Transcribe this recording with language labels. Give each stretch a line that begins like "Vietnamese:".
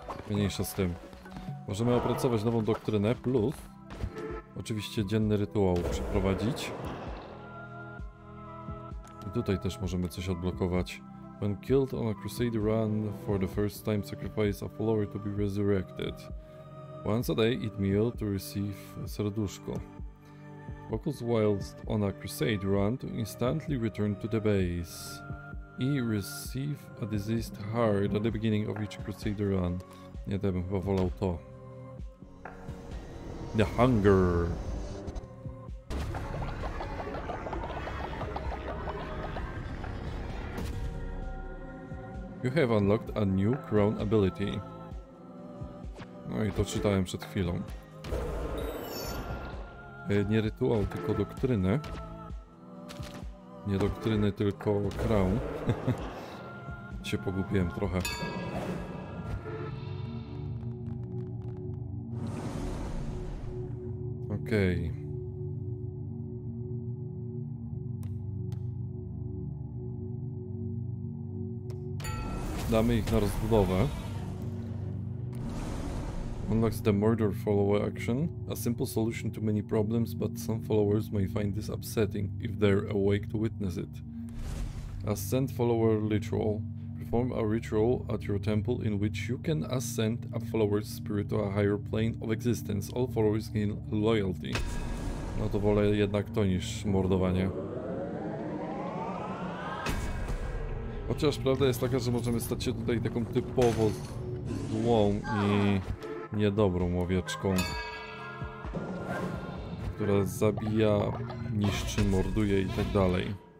Polish: Mniejsza z tym. Możemy opracować nową doktrynę, plus oczywiście dzienny rytuał przeprowadzić. I tutaj też możemy coś odblokować.
English: When killed on a crusade run for the first time, sacrifice a follower to be resurrected. Once a day, eat meal to receive serduszko. Focus whilst on a crusade run to instantly return to the base. I receive a diseased heart at the beginning of each crusade run.
Polish: Nie, to ja bym chyba wolał to.
English: The Hunger! You have unlocked a new crown ability.
Polish: No i to czytałem przed chwilą. Nie rytuał, tylko doktrynę. Nie doktryny, tylko crown. Się pogubiłem trochę. Okej. Damy ich na rozbudowę.
English: Unlocks the murder follower action. A simple solution to many problems, but some followers may find this upsetting if they're awake to witness it. Ascend follower ritual. Perform a ritual at your temple in which you can ascend a follower's spirit to a higher plane of existence. All followers gain loyalty.
Polish: No to wolę jednak to niż mordowanie. Chociaż prawda jest taka, że możemy stać się tutaj taką typowo złą i niedobrą owieczką, która zabija, niszczy, morduje i tak dalej.